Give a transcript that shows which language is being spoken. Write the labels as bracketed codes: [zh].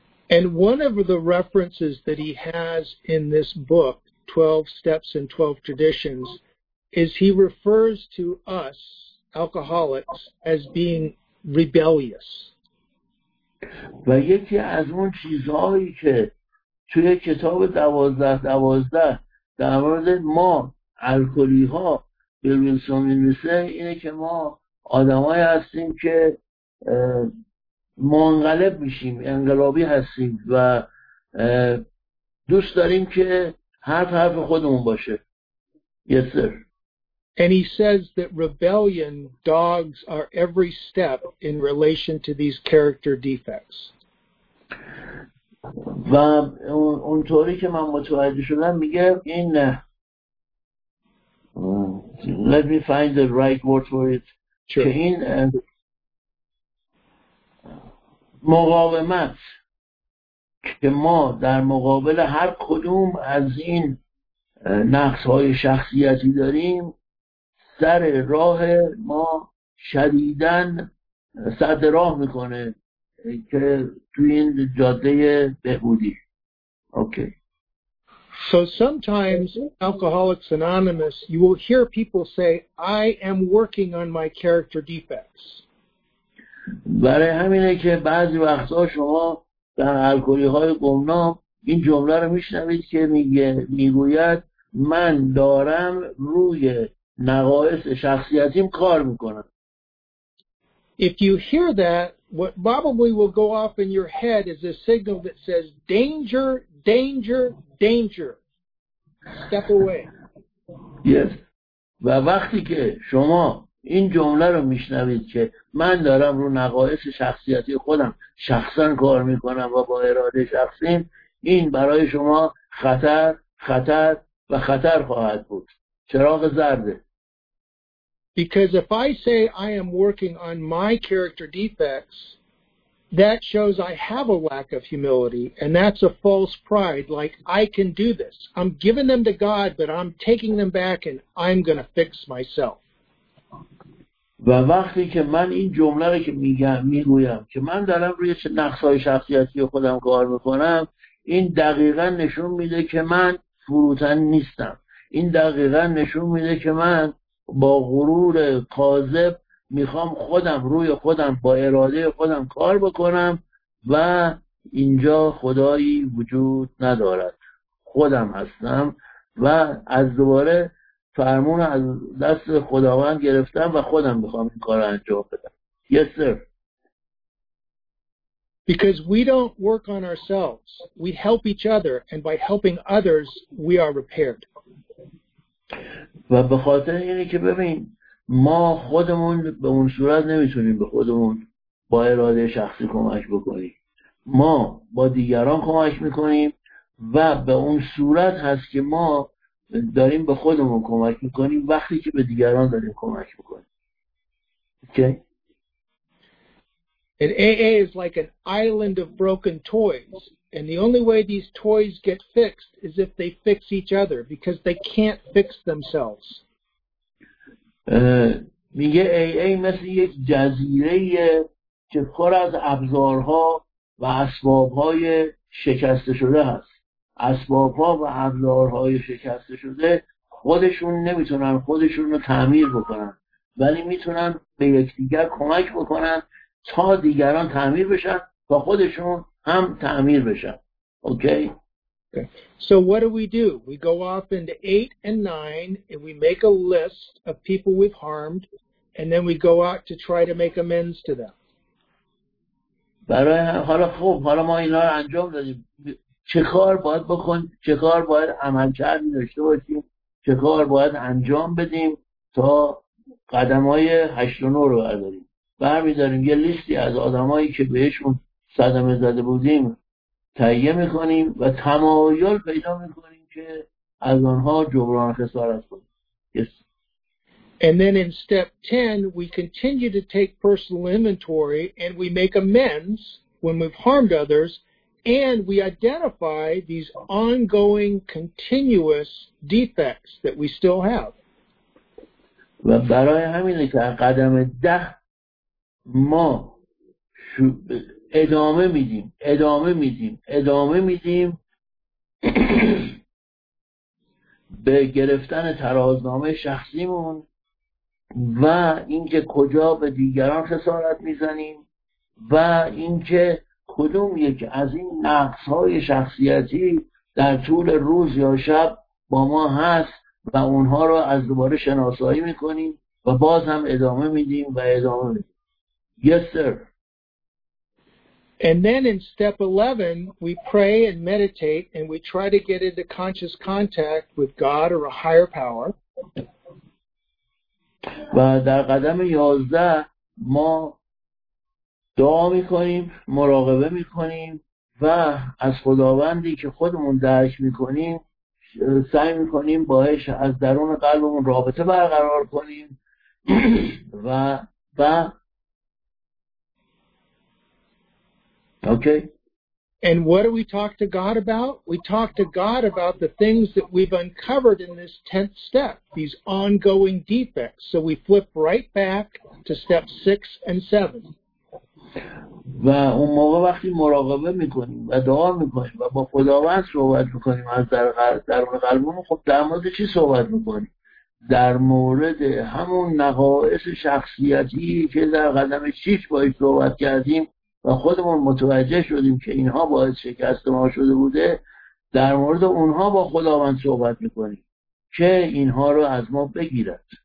[en] And one of the references that he has in this book, 12 Steps and 12 Traditions, is he refers to us, alcoholics, as being rebellious. [fa] و یکی از اون چیزهایی که توی کتاب 12-12 در مورد ما الکلی ها بیل ویلسون می‌نویسه اینه که ما آدمایی هستیم که منقلب میشیم، انقلابی هستیم و دوست داریم که حرف خودمون باشه. [en] Yes, sir. And he says that rebellion dogs are every step in relation to these character defects. [fa] و اونطوری که من متوجه شدم میگه این [en] let me find the right word for it. Sure. [fa] که این مقاومت که ما در مقابل هر کدوم از این نقص‌های شخصیتی داریم در راه ما شدیداً سد راه میکنه که تو این جاده بهبودی. اوکی. [en] So sometimes Alcoholics Anonymous, you will hear people say, I am working on my character defects. [fa] برای همینه که بعضی وقتا شما در الکلی‌های گمنام این جمله رو میشنوید که میگوید من دارم روی نقایص شخصیتیم کار میکنم. [en] If you hear that, what probably will go off in your head is a signal that says, danger, danger, danger. Step away. Yes. [fa] و وقتی که شما این جمله رو میشنوید که من دارم رو نقایص شخصیتی خودم شخصا کار میکنم و با اراده شخصیم، این برای شما خطر، خطر و خطر خواهد بود. چراغ زرده. [en] Because if I say I am working on my character defects, that shows I have a lack of humility, and that's a false pride, like I can do this. I'm giving them to God, but I'm taking them back, and I'm going to fix myself. [fa] و وقتی که من این جمله رو که میگویم که من دارم روی نقص‌های شخصیتی خودم کار میکنم، این دقیقا نشون میده که من فروتن نیستم. این دقیقا نشون میده که من با غرور کاذب میخوام خودم روی خودم با اراده خودم کار بکنم و اینجا خدایی وجود ندارد، خودم هستم و از دوباره فرمون از دست خداوند گرفتم و خودم میخوام این کار رو انجام بدم. [en] Yes, sir. Because we don't work on ourselves, we help each other, and by helping others we are repaired. [fa] و به خاطر اینه که ببین ما خودمون به اون صورت نمیتونیم به خودمون با اراده شخصی کمک بکنیم، ما با دیگران کمک میکنیم و به اون صورت هست که ما داریم به خودمون کمک میکنیم وقتی که به دیگران داریم کمک میکنیم. اوکی. [en] And AA is like an island of broken toys. And the only way these toys get fixed is if they fix each other, because they can't fix themselves. [fa] میگه AA مثل یک جزیره‌ایه که پر از ابزارها و اسباب‌های شکسته شده هست. اسباب‌ها و ابزارهای شکسته شده خودشون نمیتونن خودشون رو تعمیر بکنن، ولی میتونن به یکدیگر کمک بکنن تا دیگران تعمیر بشن با خودشون هم تعمیر بشن. اوکی؟ [en] Okay. So what do? We go off into 8 and 9 and we make a list of people we've harmed and then we go out to try to make amends to them. [fa] برای حالا خوب حالا ما اینا رو انجام دادیم. چه کار باید بکن؟ چه کار باید عمل کردی داشته باشیم؟ چه کار باید انجام بدیم تا قدمای 8 و 9 رو برداریم؟ برمی‌داریم یه لیستی از آدمایی که بهشون صدمه زده بودیم تهیه میکنیم و تمایل پیدا میکنیم که از آنها جبران خسارت کنیم. [en] Yes. And then in step 10, we continue to take personal inventory and we make amends when we've harmed others and we identify these ongoing continuous defects that we still have. [fa] و برای همینه که قدم 10 ما ادامه میدیم به گرفتن ترازنامه شخصیمون و اینکه کجا به دیگران خسارت میزنیم و اینکه کدوم یک از این نقص‌های شخصیتی در طول روز یا شب با ما هست و اونها رو از دوباره شناسایی میکنیم و باز هم ادامه میدیم و ادامه میدیم. [en] Yes, sir. And then in step 11, we pray and meditate and we try to get into conscious contact with God or a higher power. [fa] و در قدم 11 ما دعا میکنیم، مراقبه میکنیم و از خداوندی که خودمون درک میکنیم سعی میکنیم باهاش از درون قلبمون رابطه برقرار کنیم و Okay. [en] And what do we talk to God about? We talk to God about the things that we've uncovered in this 10th step, these ongoing defects. So we flip right back to step 6 and 7. [fa] و اون موقع وقتی مراقبه میکنیم و دعا میکنیم و با خداوند صحبت میکنیم از درون قلبمون، خب در مورد چی صحبت میکنیم؟ در مورد همون نقایص شخصیتی که در قدم 6 باهاش صحبت کردیم و خودمون متوجه شدیم که اینها باعث شکست ما شده بوده، در مورد اونها با خداوند صحبت میکنیم که اینها رو از ما بگیرد.